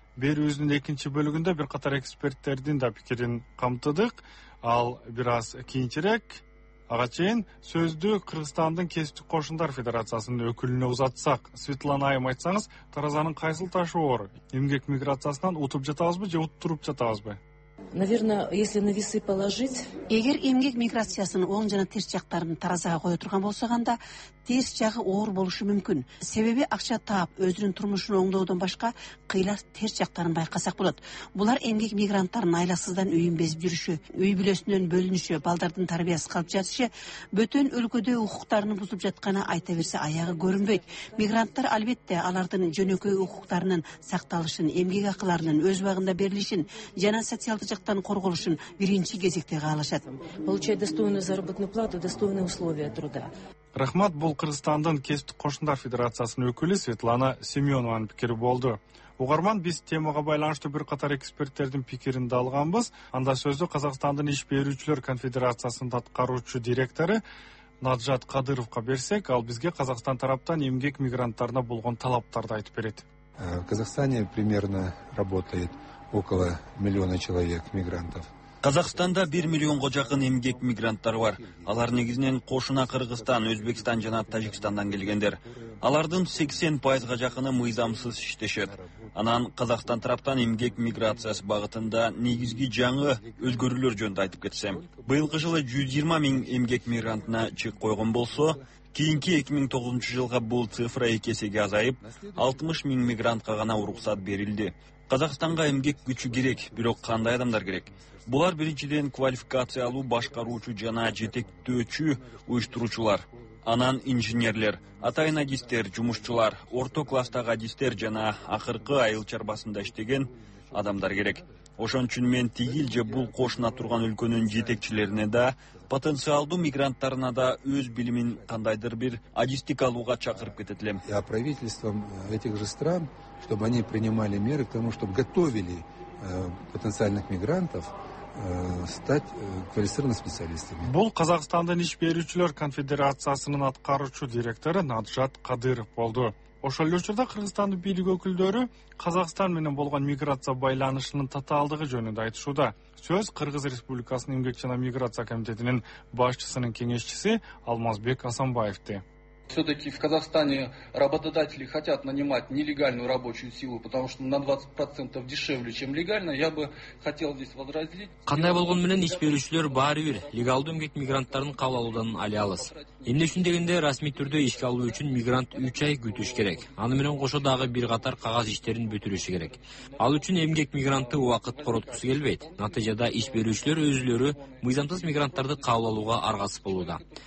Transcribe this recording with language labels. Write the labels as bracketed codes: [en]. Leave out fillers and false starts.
[ky] Берүүбүздүн экинчи бөлүгүндө бир катар эксперттердин да пикирин камтыдык. Ал бир аз кийинчерээк. Ага чейин сөздү Кыргызстандын кесиптик кошундар федерациясынын өкүлүнө узатсак, Светлана айым, айтсаңыз, таразанын кайсыл ташы оор? Эмгек миграциясынан утуп жатабызбы же уттуруп жатабызбы? [ru] Наверное, если на весы положить. [ky] Эгер эмгек миграциясынын оң жана терс жактарын таразага кое турган болсок анда терс жагы оор болушу мүмкүн. Себеби акча таап, өзүнүн турмушун оңдоодон башка кыйла терс жактарын байкасак болот. Булар эмгек мигранттарынын айласыздан үйүн безип жүрүшү, үй бүлөсүнөн бөлүнүшү, балдардын тарбиясыз калып жатышы, бөтөн өлкөдө укуктарын бузуп жатканы айта берсе аягы көрүнбөйт. Мигранттар албетте алардын жөнөкөй укуктарынын сакталышын, эмгек акыларынын өз убагында берилишин жана социалдык жактан корголушун биринчи кезекте каалашат. [ru] Получать достойную заработную плату, достойные условия труда. [ky] Рахмат, бул Кыргызстандын кесиптик кошундар федерациясынын өкүлү Светлана Семёнованын пикири болду. Угарман, биз темага байланыштуу бир катар эксперттердин пикирин да алганбыз. Анда сөздү Казакстандын иш берүүчүлөр конфедерациясынын аткаруучу директору Наджат Кадыровко берсек, ал бизге Казакстан тараптан эмгек мигранттарына болгон талаптарды айтып берет. [ru] В Казахстане примерно работает около 1 миллиона человек мигрантов. [ky] Казакстанда 1 миллионго жакын эмгек мигранттары бар. Алар негизинен кошуна Кыргызстан, Өзбекстан жана Тажикстандан келгендер. Алардын 80%га жакыны мыйзамсыз иштешет. Анан Казакстан тараптан эмгек миграциясы багытында негизги жаңы өзгөрүүлөр жөнүндө айтып кетсем. Быйылкы жылы 120 000 эмгек мигрантына чек койгон болсо, кийинки 2009 жылга бул цифра 2 эсеге азайып, 60 000 мигрантка гана уруксат берилди. Казакстанга эмгек күчү керек, бирок кандай адамдар керек? Булар биринчиден квалификациялуу башкаруучу жана жетектөөчү уюштуруучулар, анан инженерлер, атайын адистер, жумушчулар, орто класстагы адистер жана акыркы айыл чарбасында иштеген адамдар керек. Ошон үчүн мен тигил же бул кошуна турган өлкөнүн жетекчилерине да, потенциалдуу мигранттарына да өз билимин кандайдыр бир адистик алууга чакырып кетет элем. [ru] Я правительством этих же стран, чтобы они принимали меры к тому, чтобы готовили потенциальных мигрантов стать квалифицированными специалистами. [ky] Бул Казакстандын иш берүүчүлөр конфедерациясынын аткаруучу директору Наджат Кадыров болду. Ошол эле учурда Кыргызстандын бийлик өкүлдөрү Казакстан менен болгон миграция байланышынын татаалдыгы жөнүндө айтышууда. Сөз Кыргыз Республикасынын эмгек жана миграция комитетинин башчысынын кеңешчиси Алмазбек Асанбаевди. [ru] Все-таки в Казахстане работодатели хотят нанимать нелегальную рабочую силу, потому что на 20% дешевле, чем легально. Я бы хотел здесь возразить. [ky] Кандай болгон менен иш берүүчүлөр баары бир легалдуу эмгек мигранттарын кабыл алуудан али алыс. Эмне үчүн дегенде, расмий түрдө ишке алуу үчүн мигрант 3 ай күтүш керек. Аны менен кошо дагы бир катар кагаз иштерин бүтүрүшү керек. Ал үчүн эмгек мигранты убакыт короткусу келбейт. Натыйжада иш берүүчүлөр өзүлөрү мыйзамсыз мигранттарды кабыл алууга аргасып болууда.